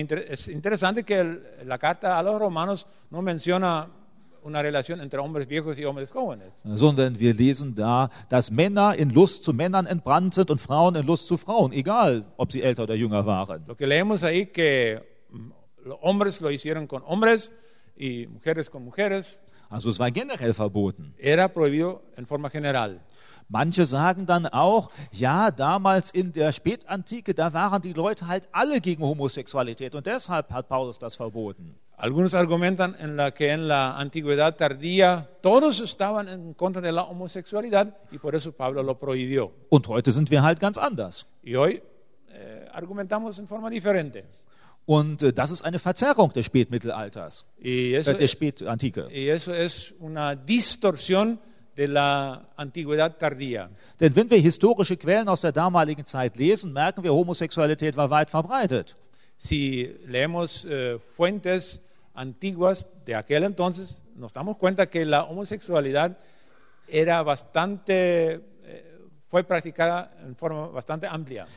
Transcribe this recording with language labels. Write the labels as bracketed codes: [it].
[es] Es interesante que la carta a los romanos no menciona una relación entre hombres viejos y hombres jóvenes. [de] Sondern wir lesen da, dass Männer in Lust zu Männern entbrannt sind und Frauen in Lust zu Frauen, egal ob sie älter oder jünger waren. [es] Lo que leemos ahí que los hombres lo hicieron con hombres, y mujeres con mujeres. [de] Also es war generell verboten. [es] Era prohibido en forma general. [de] Manche sagen dann auch, ja, damals in der Spätantike, da waren die Leute halt alle gegen Homosexualität und deshalb hat Paulus das verboten. [es] Algunos argumentan en la que en la antigüedad tardía todos estaban en contra de la homosexualidad y por eso Pablo lo prohibió. [de] Und heute sind wir halt ganz anders. [es] Y hoy argumentamos en forma diferente. [de] Und das ist eine Verzerrung des Spätmittelalters, der Spätantike. [es] Y eso es una distorsión de la antigüedad tardía. [de] Denn wenn wir historische Quellen aus der damaligen Zeit lesen, merken wir, Homosexualität war weit verbreitet. [es] Si leemos fuentes antiguas de aquel entonces, nos damos cuenta que la homosexualidad era bastante... fue practicada en forma bastante amplia.